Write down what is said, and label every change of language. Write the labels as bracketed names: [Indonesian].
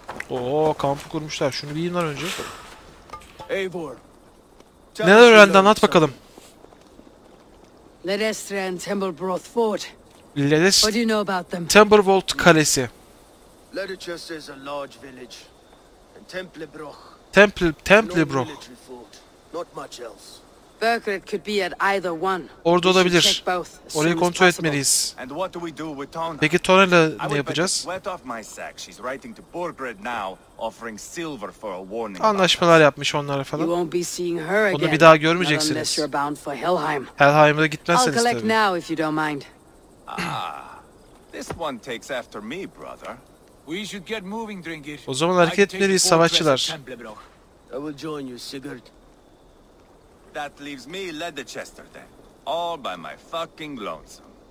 [Turkish] Oo, kampı kurmuşlar. Şunu bir yiyeyim lan önce. Eivor. Neler öğrendi anlat bakalım. [English] Ledestre and Templeworld Fort. Ledest. What do you know about them? [Turkish] Templeworld Kalesi. [English] Ledestre is a large village. And Templebroch. Templebroch. Not much else. Burkert could be at either one. [Turkish] Orada olabilir. Orayı kontrol etmeliyiz. [English] And what do we do with Tona? [Turkish] Peki Tona'yla ne yapacağız? [English] Wet off my sack. She's writing to Burkert now, offering silver for a warning. [Turkish] Anlaşmalar yapmış onlara falan. [English] You won't be seeing her again. [Turkish] Onu bir daha görmeyeceksiniz. [English] Unless you're bound for Helheim. [Turkish] Helheim'e gitmezseniz tabii. [English] I'll collect now if you don't mind. This one takes after me, brother. We should get moving, Drinkir. [Turkish] O zaman hareket etmeliyiz savaşçılar. [English] I will join you, Sigurd. That leaves me Ledchester then, all by my fucking lonesome.